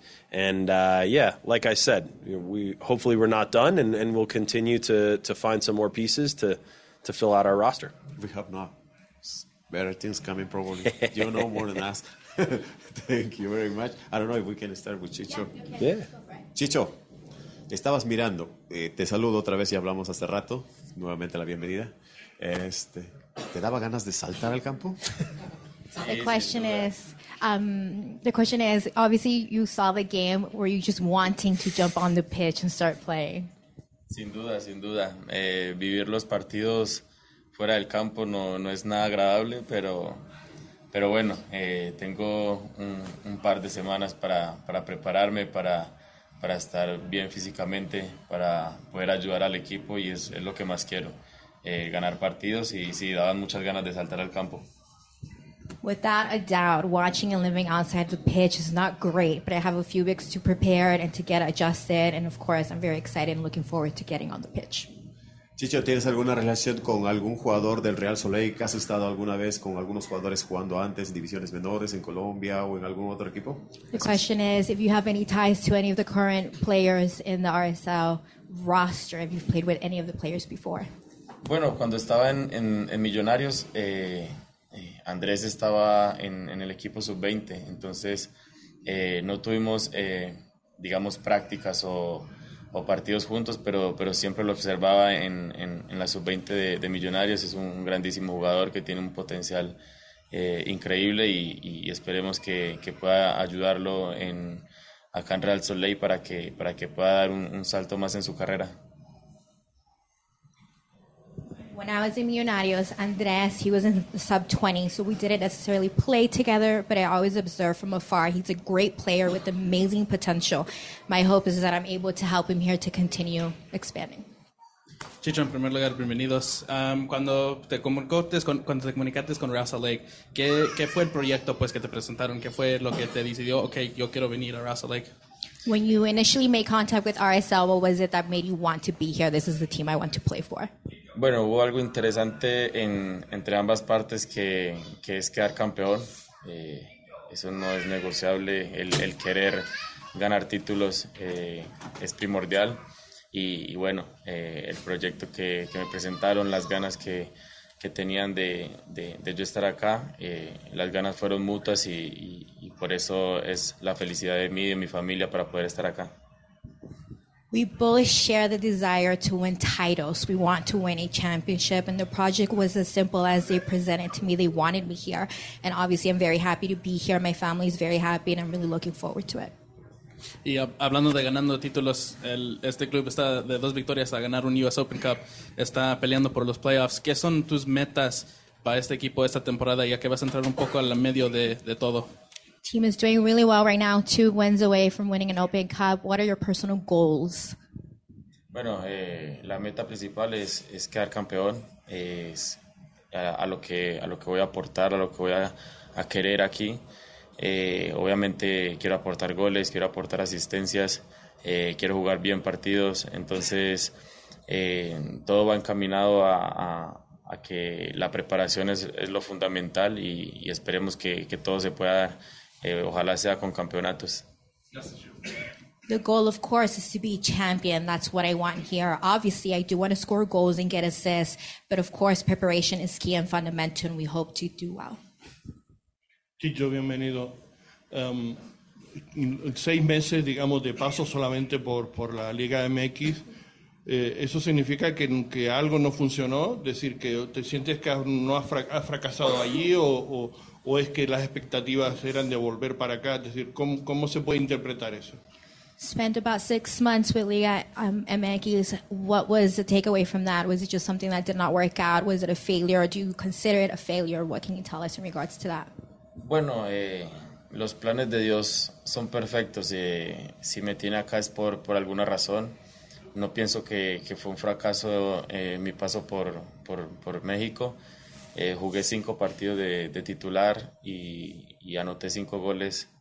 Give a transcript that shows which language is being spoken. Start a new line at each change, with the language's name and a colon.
English: And like I said, we're not done, and we'll continue to find some more pieces to fill out our roster. We have not. Better things coming, probably. You know more than us. Thank you very much. I don't know if we can start with Chicho. Yeah.
Spanish: Chicho, estabas mirando. Te saludo otra vez y hablamos hace rato. Nuevamente la bienvenida. ¿Te daba ganas de saltar al campo?
English: The question is, obviously you saw the game. Were you just wanting to jump on the pitch and start playing?
Spanish: Sin duda. Vivir los partidos fuera del campo no es nada agradable, pero bueno, tengo un par de semanas para prepararme, para estar bien físicamente, para poder ayudar al equipo, y es lo que más quiero, ganar partidos, y sí, daban muchas ganas de saltar al campo.
English: Without a doubt, watching and living outside the pitch is not great, but I have a few weeks to prepare and to get adjusted, and of course, I'm very excited and looking forward to getting on the pitch.
Spanish: Chicho, ¿tienes alguna relación con algún jugador del Real Salt Lake? ¿Has estado alguna vez con algunos jugadores jugando antes en divisiones menores en Colombia o en algún otro equipo?
English: The question is, if you have any ties to any of the current players in the RSL roster, if you've played with any of the players before?
Spanish: Bueno, cuando estaba en Millonarios, Andrés estaba en el equipo sub-20, entonces no tuvimos, digamos, prácticas o partidos juntos, pero siempre lo observaba en la sub-20 de Millonarios. Es un grandísimo jugador que tiene un potencial increíble, y esperemos que pueda ayudarlo acá en Real Salt Lake para que pueda dar un salto más en su carrera.
English: When I was in Millonarios, Andres, he was in the sub-20, so we didn't necessarily play together, but I always observed from afar. He's a great player with amazing potential. My hope is that I'm able to help him here to continue expanding.
Spanish: Chicho, en primer lugar, bienvenidos. Cuando te comunicaste con RSL, ¿qué fue el proyecto pues, que te presentaron? ¿Qué fue lo que te decidió, okay, yo quiero venir a RSL?
English: When you initially made contact with RSL, what was it that made you want to be here? This is the team I want to play for.
Spanish: Bueno, hubo algo interesante entre ambas partes que es quedar campeón. Eso no es negociable. El querer ganar títulos es primordial. Y bueno, el proyecto que me presentaron, las ganas que tenían de yo estar acá, las ganas fueron mutuas y por eso es la felicidad de mí y de mi familia para poder estar acá.
English: We both share the desire to win titles. We want to win a championship, and the project was as simple as they presented to me. They wanted me here, and obviously I'm very happy to be here. My family is very happy, and I'm really looking forward to it.
Spanish: Y hablando de ganando títulos, este club está de dos victorias a ganar un US Open Cup, está peleando por los playoffs. ¿Qué son tus metas para este equipo esta temporada, ya que vas a entrar un poco al medio de todo?
English: Team is doing really well right now, two wins away from winning an Open Cup. What are your personal goals?
Spanish: Bueno, la meta principal es quedar campeón, es a lo que voy a aportar, a lo que voy a querer aquí. Obviamente quiero aportar goles, quiero aportar asistencias, quiero jugar bien partidos, entonces todo va encaminado a que la preparación es lo fundamental y esperemos que todo se pueda dar. Ojalá sea con campeonatos.
English: The goal, of course, is to be champion. That's what I want here. Obviously, I do want to score goals and get assists, but of course, preparation is key and fundamental, and we hope to do well.
Spanish: Chicho, bienvenido. Seis meses, digamos, de paso solamente por la Liga MX. Eso significa que algo no funcionó. Decir que te sientes que has fracasado allí o es que las expectativas eran de volver para acá. Es decir, ¿cómo se puede interpretar eso?
English: Spent about 6 months with Liga MX. What was the takeaway from that? Was it just something that did not work out? Was it a failure? Do you consider it a failure? What can you tell us in regards to that?
Spanish: Bueno, los planes de Dios son perfectos. Si me tiene acá es por alguna razón. No pienso que fue un fracaso mi paso por México. Jugué 5 partidos de titular y anoté 5 goles.